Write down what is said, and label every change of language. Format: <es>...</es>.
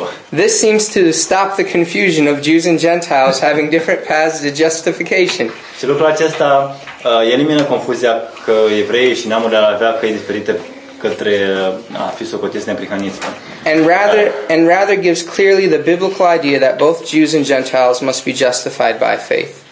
<en>This seems to stop the confusion of Jews and Gentiles having different paths to justification.</en> <ro>Și lucrul acesta elimină confuzia că evreii și neamurile ar avea căi diferite către a fi socotiți neprihăniți.</ro> <en>And rather gives clearly the biblical idea that both Jews and Gentiles must be justified by faith.</en>